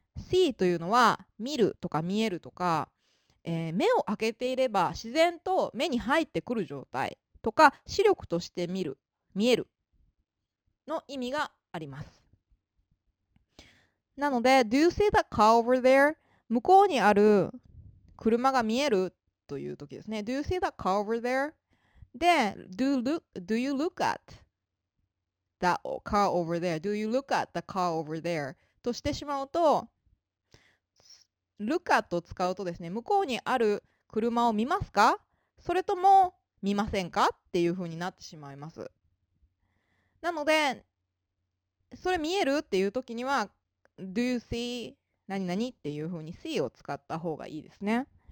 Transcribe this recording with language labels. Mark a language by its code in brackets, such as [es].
[ja] see というのは見るとか見えるとか、目を開けていれば自然と目に入ってくる状態とか、視力として見る、見えるの意味があります。なので、 [en] Do you see the car over there? [ja] 向こうにある車が見えるという時ですね。 [en] Do you see that car over there? [ja] で、 [en] do you look at that car over there? Do you look at the car over there? [ja] としてしまうと、look at を使うとですね、向こうにある車を見ますか？それとも見ませんか？っていう風になってしまいます。なので、それ見える？っていう時には、 [en] Do you see [ja] 何々っていう風に see を使った方がいいですね。